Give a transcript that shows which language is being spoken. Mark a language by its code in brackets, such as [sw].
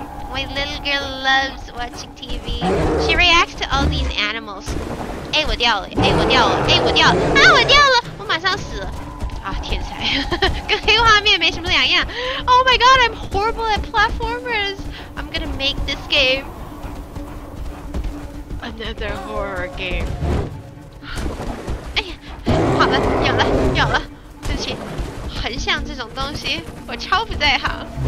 [en] My little girl loves watching TV. She reacts to all these animals. [zh] 哎，我掉了！哎，我掉了！哎，我掉了！啊，我掉了！我马上死了！啊，天才，跟黑画面没什么两样。 [en] Oh my god, I'm horrible at platformers. I'm gonna make this game another horror game. [zh] 哎呀，好了，有了，有了！对不起，横向这种东西我超不在行。